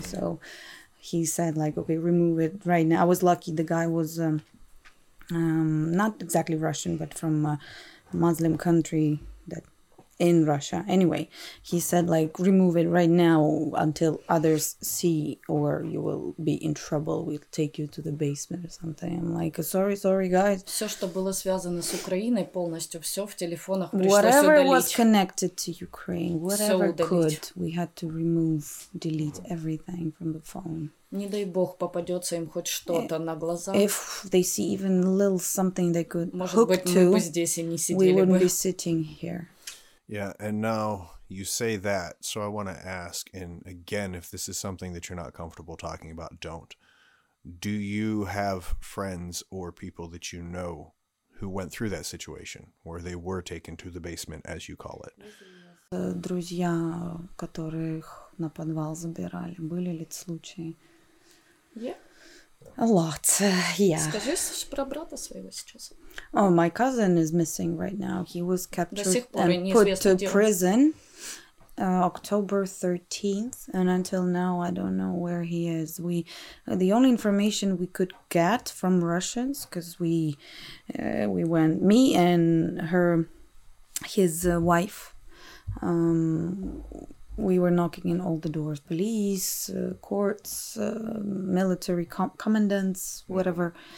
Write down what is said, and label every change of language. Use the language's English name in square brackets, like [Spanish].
[English] So he said, like, okay, remove it right now. I was lucky the guy was not exactly Russian, but from a Muslim country that in Russia. Anyway, he said, like, remove it right now until others see, or you will be in trouble. We'll take you to the basement or something. I'm like, sorry, guys. [Russian] Все, что было связано с Украиной, полностью все в телефонах пришлось удалить. [English] Whatever was connected to Ukraine, whatever could, we had to remove, delete everything from the phone. [Russian] Не дай бог попадется им хоть что-то на глаза. [English] If they see even a little something they could hook to, [Russian] мы бы здесь и не сидели бы. [English] We wouldn't be sitting here. Yeah, and now you say that, so I want to ask, and again, if this is something that you're not comfortable talking about, don't. Do you have friends or people that you know who went through that situation, where they were taken to the basement, as you call it? [Russian] Друзья, которых на подвал забирали, были ли случаи? [English] Yeah. A lot, yeah. [Russian] Скажи про брата своего сейчас. [English] Oh, my cousin is missing right now. He was captured and put to prison October 13th. And until now, I don't know where he is. The only information we could get from Russians, because we went, me and his wife, we were knocking in all the doors, police, courts, military commandants, whatever.